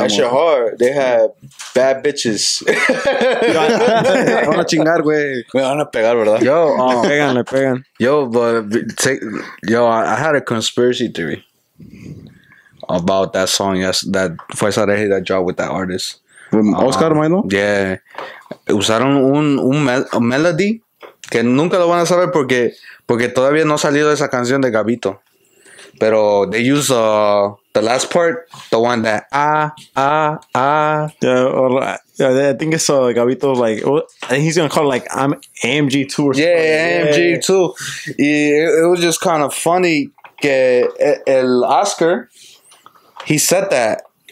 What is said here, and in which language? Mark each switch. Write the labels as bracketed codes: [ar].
[en] one. That shit hard. They have bad bitches. [es] Van a chingar, güey. Me van a pegar, ¿verdad? Yo, pégale, pegan. [en] Yo, but take, yo, I had a conspiracy theory about that song, yes, that Fuerza Regi that dropped with that artist. Oscar Milo? Yeah. [es] Usaron un melody que nunca lo van a saber porque todavía no ha salido esa canción de Gabito. Pero [en] they use the last part, the one that Yeah, or, yeah, I think it's Gabito, like, I think he's gonna call it like I'm AMG2 or something. Yeah, AMG2. Yeah. It was just kind of funny [es] que el Oscar, [en] he said that.